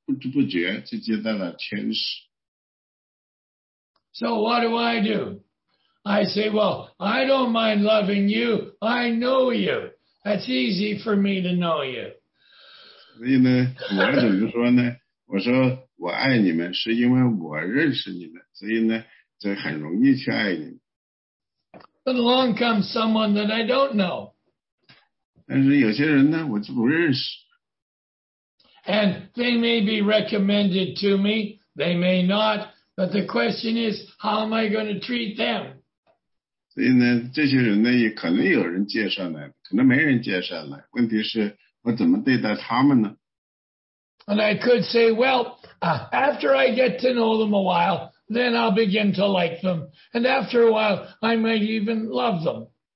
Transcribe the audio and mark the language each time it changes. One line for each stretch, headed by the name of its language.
Chinese: 所以第二节继续说，不可忘记用爱心接待客礼，因为曾有接待客礼，不知不觉就接待了天使。
English: So what do? I say, well, I don't mind loving you. I know you. That's easy for me to know you.
Chinese: 所以呢，我怎么说呢？我说我爱你们是因为我认识你们，所以呢，这很容易去爱你们。
English: But along comes someone that I don't know.
Chinese: 但是有些人呢，我就不认识。
English: And they may be recommended to me, they may not, but the question is, how am I going to treat them?
Chinese: 所以呢，这些人呢，也可能有人介绍来，可能没人介绍来，问题是我怎么对待他们呢？
English: And I could say, well, after I get to know them a while, then I'll begin to like them. And after a while, I might even love them.